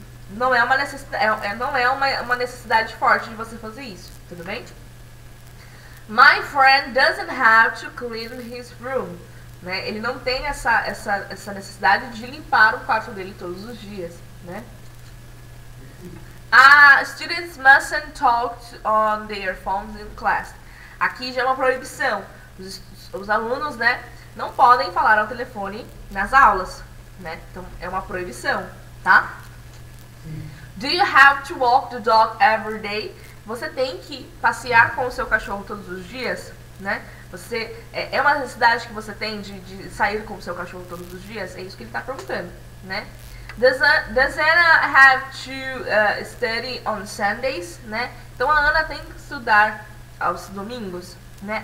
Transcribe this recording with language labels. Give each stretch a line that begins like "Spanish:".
Portuguese: Não é uma necessidade, não é uma necessidade forte de você fazer isso, tudo bem?
English: My friend doesn't have to clean his room, né?
Portuguese: Ele não tem essa necessidade de limpar o quarto dele todos os dias, né?
English: Ah, students mustn't talk on their phones in class.
Portuguese: Aqui já é uma proibição. Os alunos, né, não podem falar ao telefone nas aulas, né? Então é uma proibição, tá?
English: Do you have to walk the dog every day?
Portuguese: Você tem que passear com o seu cachorro todos os dias, né? É uma necessidade que você tem de sair com o seu cachorro todos os dias? É isso que ele está perguntando, né?
English: Does Anna have to study on Sundays, né?
Portuguese: Então a Ana tem que estudar aos domingos, né?